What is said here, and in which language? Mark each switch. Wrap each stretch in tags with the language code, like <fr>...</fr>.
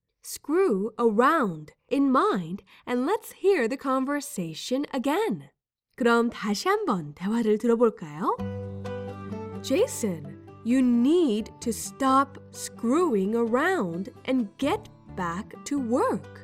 <en>Screw around in mind, and let's hear the conversation again.</en> <ko>그럼 다시 한번 대화를 들어볼까요?</ko> <en>Jason, you need to stop screwing around and get back to work.</en>